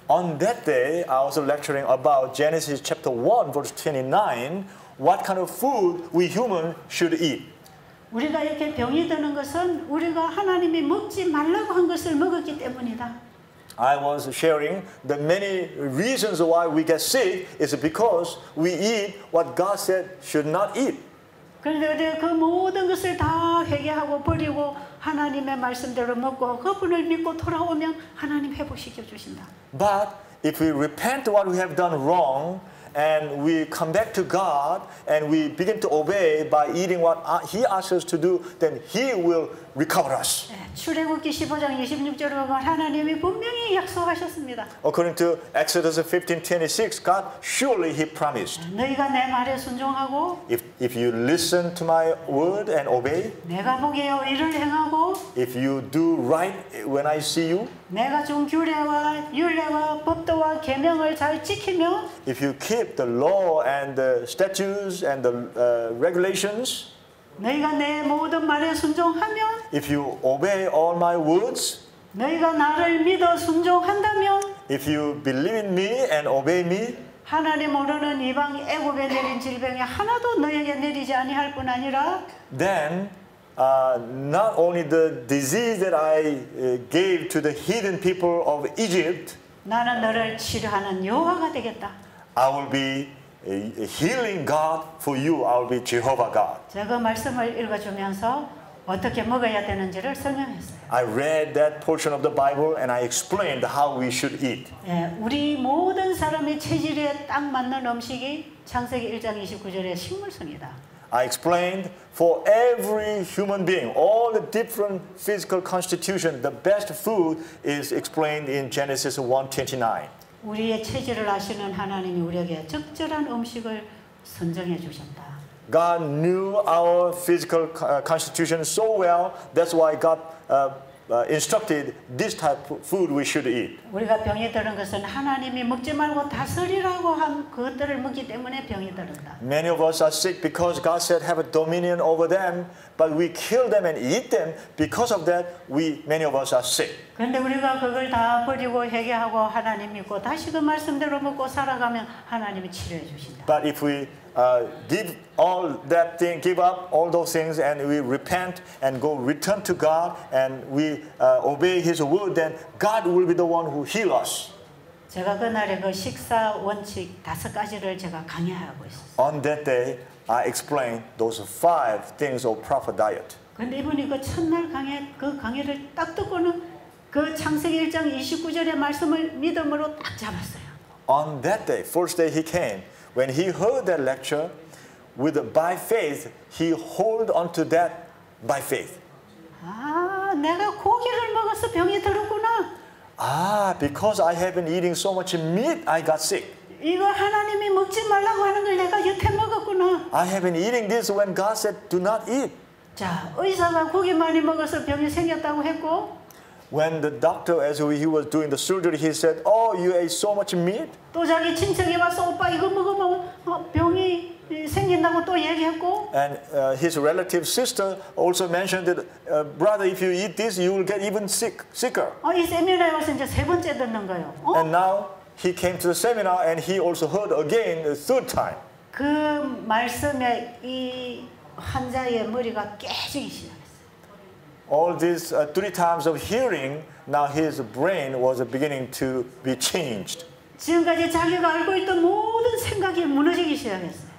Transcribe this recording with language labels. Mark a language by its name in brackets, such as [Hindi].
[English] On that day, I was lecturing about Genesis chapter 1 verse 29, what kind of food we human should eat. [Korean] 우리가 이렇게 병이 드는 것은 우리가 하나님이 먹지 말라고 한 것을 먹었기 때문이다. [English] I was sharing the many reasons why we get sick is because we eat what God said should not eat. [Korean] 그런데 그 모든 것을 다 회개하고 버리고 하나님의 말씀대로 먹고 그분을 믿고 돌아오면 하나님 회복시켜 주신다. [English] But if we repent what we have done wrong and we come back to God and we begin to obey by eating what he asks us to do, then he will recover us. [Korean] 출애굽기 15장 26절을 보면 하나님이 분명히 약속하셨습니다. [English] According to Exodus 15:26, God surely he promised. [Korean] 너희가 내 말에 순종하고 [English] if you listen to my word and obey, [Korean] 내가 보기에 의를 행하고 [English] if you do right when I see you, [Korean] 내가 준 규례와 율례와 법도와 계명을 잘 지키면 [English] if you keep the law and the statutes and the regulations, [Korean] 너희가 내 모든 말에 순종하면 [English] if you obey all my words, [Korean] 너희가 나를 믿어 순종한다면 [English] if you believe in me and obey me, [Korean] 하나님 모르는 이방 애굽에 내린 질병이 하나도 너에게 내리지 아니할 뿐 아니라 [English] then not only the disease that I gave to the hidden people of Egypt [Korean] 나는 너를 치료하는 여호와가 되겠다. [English] I will be a healing God for you. I will be Jehovah God. [Korean] 제가 말씀을 읽어 주면서 어떻게 먹어야 되는지를 설명했어요. [English] I read that portion of the Bible and I explained how we should eat. [Korean] 예, 우리 모든 사람의 체질에 딱 맞는 음식이 창세기 1장 29절의 식물성이다. [English] I explained for every human being, all the different physical constitution, the best food is explained in Genesis 1:29. [Korean] 우리의 체질을 아시는 하나님이 우리에게 적절한 음식을 선정해 주셨다. [English] God knew our physical constitution so well, that's why God instructed this type of food we should eat. [Korean] 우리가 병에 들은 것은 하나님이 먹지 말고 다스리라고 한 그것들을 먹기 때문에 병이 들었다. [English] Many of us are sick because God said have a dominion over them, but we kill them and eat them. Because of that, many of us are sick. [Korean] 그런데 우리가 그걸 다 버리고 회개하고 하나님 믿고 다시 그 말씀대로 먹고 살아가면 하나님이 치료해 주신다. [English] But if we give all that thing, give up all those things, and we repent and go return to God, and we obey His word, then God will be the one who heal us. [Korean] 제가 그날에 그 식사 원칙 다섯 가지를 제가 강의하고 있었어요. [English] On that day, I explained those five things of proper diet. [Korean] 근데 이분이 그 첫날 강의 그 강의를 딱 듣고는 그 창세기 1장 29절의 말씀을 믿음으로 딱 잡았어요. [English] On that day, first day he came. When he heard that lecture, by faith, he hold onto that by faith. [Korean] 아, 내가 고기를 먹어서 병이 들었구나. [English] Because I have been eating so much meat, I got sick. [Korean] 이거 하나님이 먹지 말라고 하는 걸 내가 여태 먹었구나. [English] I have been eating this when God said, do not eat. [Korean] 자, 의사가 고기 많이 먹어서 병이 생겼다고 했고. [English] When the doctor, as he was doing the surgery, he said, you ate so much meat. [Korean] 또 자기 친척이 와서 오빠 이거 먹으면 병이 생긴다고 또 얘기했고. [English] And his relative sister also mentioned that, brother, if you eat this, you will get even sicker. [Korean] 이 세미나에 와서 이제 세 번째 듣는 거예요. [English] And now he came to the seminar and he also heard again the third time. [Korean] 그 말씀에 이 환자의 머리가 깨지기 시작. [English] All these three times of hearing, now his brain was beginning to be changed. [Korean] 지금까지 자기가 알고 있던 모든 생각이 무너지기 시작했어요.